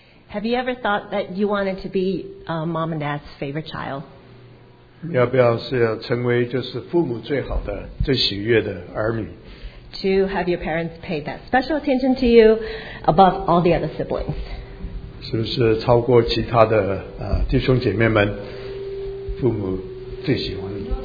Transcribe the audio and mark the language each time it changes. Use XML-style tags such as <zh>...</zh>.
<en>Have you ever thought that you wanted to be mom and dad's favorite child?</en> <zh>要不要是要成为就是父母最好的最喜悦的儿女？</zh> <en>To have your parents pay that special attention to you above all the other siblings.</en> <zh>是不是超过其他的弟兄姐妹们父母最喜欢的？</zh>